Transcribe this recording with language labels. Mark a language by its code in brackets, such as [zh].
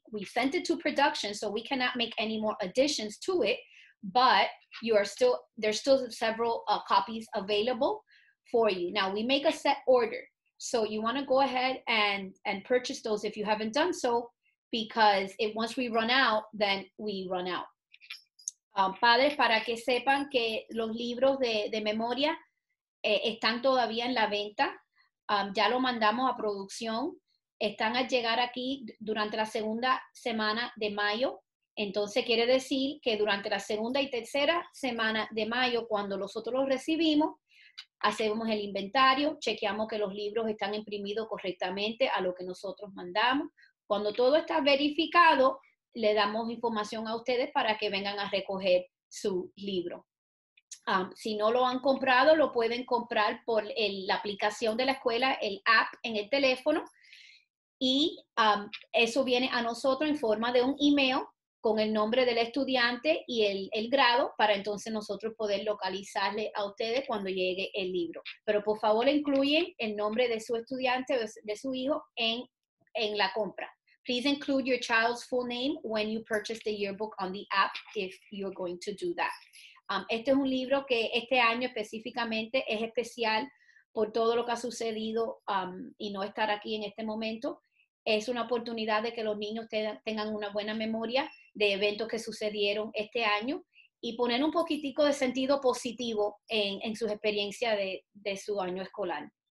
[en] We sent it to production, so we cannot make any more additions to it, but you are still, there's still several copies available for you. Now, we make a set order, so you want to go ahead and purchase those if you haven't done so, because it, once we run out, then we run out. [es] Padres, para que sepan que los libros de memoria están todavía en la venta. Ya lo mandamos a producción, están a llegar aquí durante la segunda semana de mayo, entonces quiere decir que durante la segunda y tercera semana de mayo, cuando nosotros los recibimos, hacemos el inventario, chequeamos que los libros están imprimidos correctamente a lo que nosotros mandamos. Cuando todo está verificado, le damos información a ustedes para que vengan a recoger su libro. Si no lo han comprado, lo pueden comprar por la aplicación de la escuela, el app en el teléfono, y eso viene a nosotros en forma de un email con el nombre del estudiante y el grado para entonces nosotros poder localizarle a ustedes cuando llegue el libro. Pero por favor incluyen el nombre de su estudiante, de su hijo en la compra. [en] Please include your child's full name when you purchase the yearbook on the app if you're going to do that. [es] Este es un libro que este año específicamente es especial por todo lo que ha sucedido y no estar aquí en este momento. Es una oportunidad de que los niños tengan una buena memoria de eventos que sucedieron este año y poner un poquitico de sentido positivo en sus experiencias de su año escolar.